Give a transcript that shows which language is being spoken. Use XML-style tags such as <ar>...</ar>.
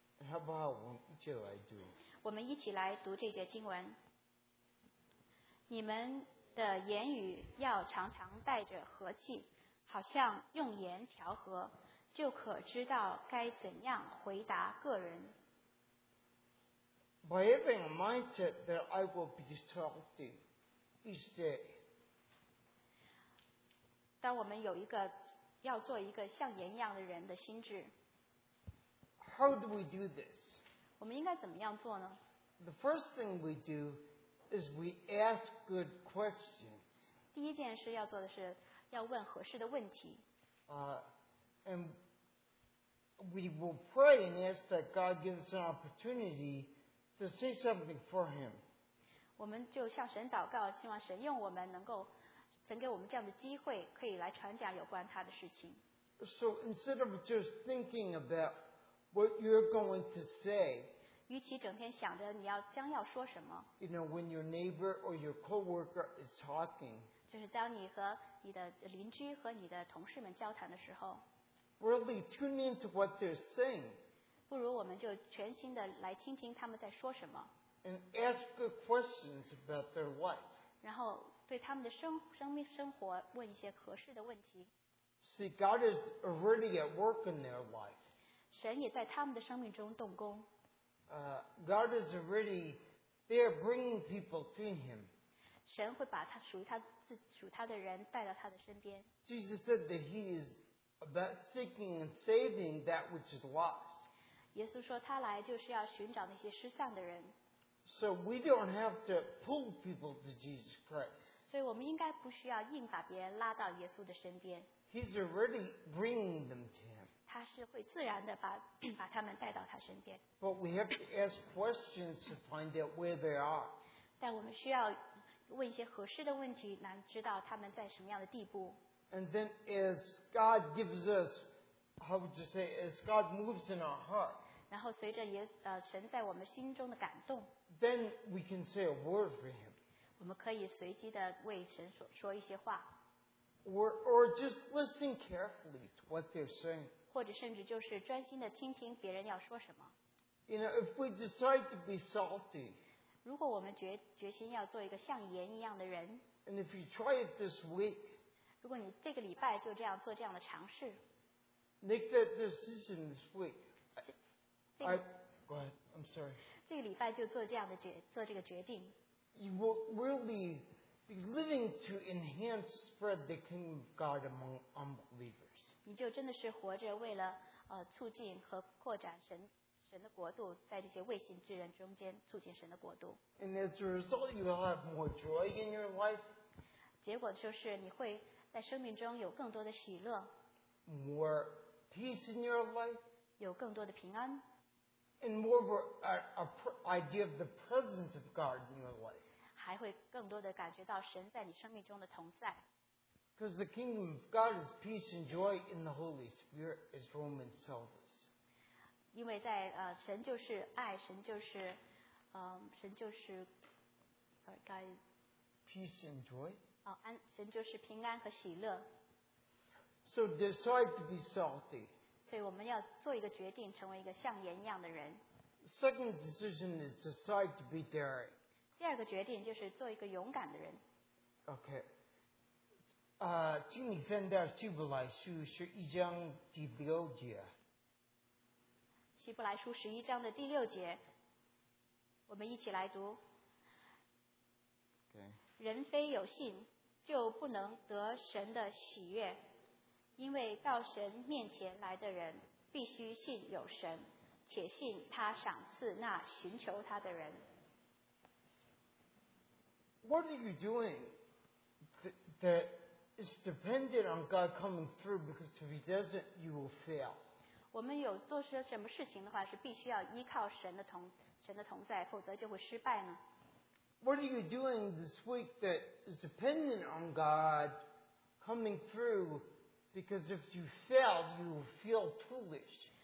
<zh>好不好？我们一起来读。我们一起来读这节经文。你们的言语要常常带着和气，好像用盐调和，就可知道该怎样回答个人。</zh> <en>By having a mindset that I will be salty each day.</en> <zh>当我们有一个要做一个像盐一样的人的心智。</zh> <en>How do we do this?</en> <zh>我们应该怎么样做呢？</zh> <en>The first thing we do is we ask good questions.</en> <zh>第一件事要做的是要问合适的问题。</zh> <en>And we will pray and ask that God gives an opportunity to say something for him.</en> <zh>我们就向神祷告，希望神用我们能够曾给我们这样的机会，可以来传讲有关他的事情。</zh> <en>So instead of just thinking about what you're going to say,</en> <zh>与其整天想着你要将要说什么。</zh> <en>You know, when your neighbor or your coworker is talking,</en> <zh>就是当你和你的邻居和你的同事们交谈的时候。</zh> <en>Really tune into what they're saying.</en> <zh>不如我们就全心的来听听他们在说什么。</zh> <en>And ask good questions about their life.</en> <zh>然后对他们的生活问一些合适的问题。</zh> <en>See, God is already at work in their life.</en> <zh>神也在他们的生命中动工。</zh> <en>God is already there bringing people to him.</en> <zh>神会把他属他的人带到他的身边。</zh> <en>Jesus said that he is about seeking and saving that which is lost.</en> <zh>耶稣说他来就是要寻找那些失散的人。</zh> <en>So we don't have to pull people to Jesus Christ.</en> <zh>所以我们应该不需要硬把别人拉到耶稣的身边。</zh> <en>He's already bringing them to him.</en> <zh>他是会自然的把他们带到他身边。</zh> <en>But we have to ask questions to find out where they are.</en> <zh>但我们需要问一些合适的问题，来知道他们在什么样的地步。</zh> <en>And then as God gives us, how would you say, as God moves in our heart,</en> <zh>然后随着神在我们心中的感动，</zh> <en>then we can say a word for him.</en> <zh>我们可以随机的为神说一些话。</zh> <en>Or just listen carefully to what they're saying.</en> <zh>或者甚至就是专心的听听别人要说什么。</zh> <en>You know, if we decide to be salty,</en> <zh>如果我们决心要做一个像盐一样的人，</zh> <en>and if you try it this week,</en> <zh>如果你这个礼拜就这样做这样的尝试，</zh> <en>make that decision this week. Go ahead, I'm sorry.</en> <zh>这个礼拜就做这个决定。</zh> <en>You will really be living to enhance, spread the kingdom of God among unbelievers.</en> <zh>你就真的是活着为了促进和扩展神的国度，在这些未信之人中间促进神的国度。</zh> <en>And as a result, you will have more joy in your life.</en> <zh>结果就是你会在生命中有更多的喜乐。</zh> <en>More peace in your life.</en> <zh>有更多的平安。</zh> <en>And more of an idea of the presence of God in your life.</en> <zh>还会更多的感觉到神在你生命中的同在。</zh> <en>Because the kingdom of God is peace and joy in the Holy Spirit, as Romans tells us.</en> <zh>因为在神就是爱，神就是，神就是 ，</zh> <en>sorry, God. Peace and joy.</en> <zh>神就是平安和喜乐。</zh> <en>So decide to be salty.</en> <zh>所以我们要做一个决定，成为一个像盐一样的人。</zh> <en>Second decision is decide to be daring.</en> <zh>第二个决定就是做一个勇敢的人。</zh> <en>Okay.</en> <zh>请你翻到希伯来书十一章第六节。希伯来书十一章的第六节，我们一起来读。</zh> <en>Okay.</en> <zh>人非有信，就不能得神的喜悦，因为到神面前来的人，必须信有神，且信他赏赐那寻求他的人。</zh> <en>What are you doing that is dependent on God coming through? Because if He doesn't, you will fail.</en> <zh>我们有做些什么事情的话，是必须要依靠神的同在，否则就会失败呢？</zh> <en>What are you doing this week that is dependent on God coming through? Because if you fail, you will feel foolish.</en>